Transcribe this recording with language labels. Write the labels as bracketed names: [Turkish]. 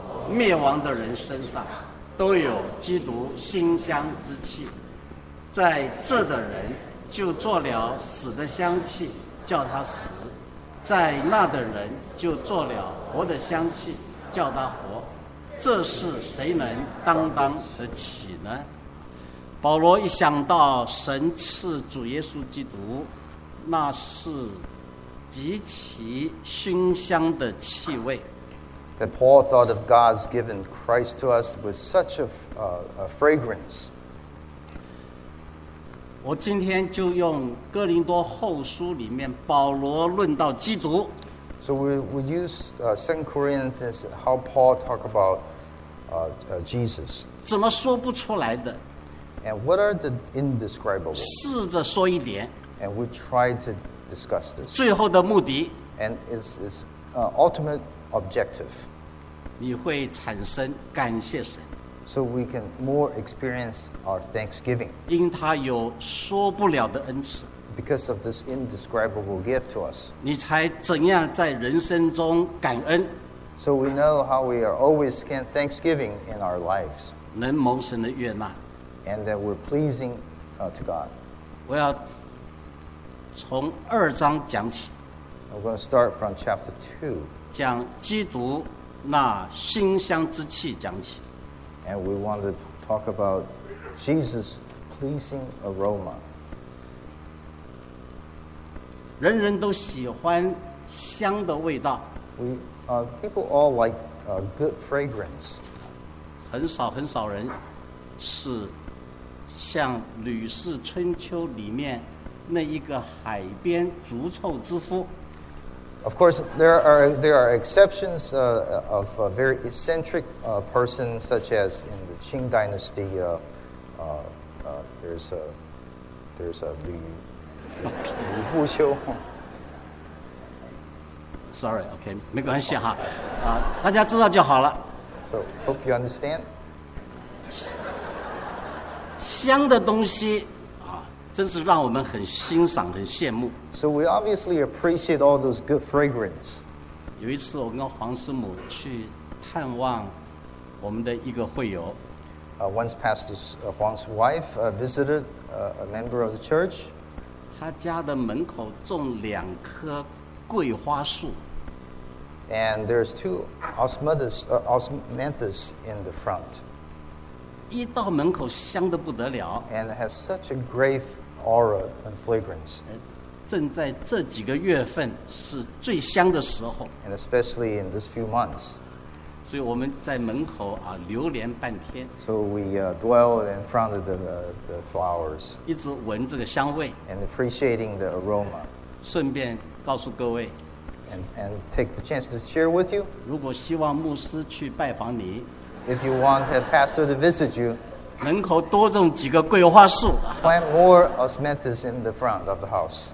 [Chinese] 灭亡的人身上都有基督馨香之气在这的人就做了死的香气叫他死在那的人就做了活的香气叫他活这是谁能当当得起呢保罗一想到神赐主耶稣基督那是极其馨香的气味 [English] That Paul thought of God's given Christ to us with such a fragrance. [Chinese] 我今天就用哥林多后书里面保罗论到基督。 [English] So we use 2 Corinthians how Paul talk about Jesus. [Chinese] 怎么说不出来的 [English] ？And what are the indescribable? [Chinese] 试着说一点。 [English] And we try to discuss this. [Chinese] 最后的目的。 [English] And it's ultimate. Objective. [Chinese] 你会产生感谢神 [English] So we can more experience our thanksgiving. [Chinese] 因他有说不了的恩赐 [English] Because of this indescribable gift to us. [Chinese] 你才怎样在人生中感恩 [English] So we know how we are always can thanksgiving in our lives. [Chinese] 能蒙神的悦纳 [English] And that we're pleasing to God. [Chinese] 我要从二章讲起 [English] I'm going to start from chapter 2. [Chinese] 讲基督那馨香之气讲起 [English] And we want to talk about Jesus' pleasing aroma [Chinese] 人人都喜欢香的味道 [English] People all like good fragrance [Chinese] 很少很少人是像《吕氏春秋》里面那一个海边逐臭之夫 [English] Of course, there are exceptions of a very eccentric person, such as in the Qing Dynasty. There's a Li Fu Qiu. Sorry, okay, [Chinese] 没关系哈，啊，大家知道就好了。 [English] So hope you understand. [Chinese] 香的东西。真是让我们很欣赏很羡慕 [English] So we obviously appreciate all those good fragrance [Chinese] 有一次我跟黄师母去探望我们的一个会友 [English] Once Pastor Huang's wife visited a member of the church [Chinese] 他家的门口种两棵桂花树 [English] And there's two osmanthus in the front [Chinese] 一到门口香得不得了 [English] And it has such a great aura and fragrance [Chinese] 正在这几个月份是最香的时候 [English] and especially in this few months [Chinese] 所以我们在门口啊流连半天 [English] so we dwell in front of the flowers [Chinese] 一直闻这个香味 [English] and appreciating the aroma [Chinese] 顺便告诉各位 [English] and take the chance to share with you [Chinese] 如果希望牧师去拜访你 [English] if you want the pastor to visit you [Chinese] 门口多种几个桂花树 [English] Plant more osmanthus in the front of the house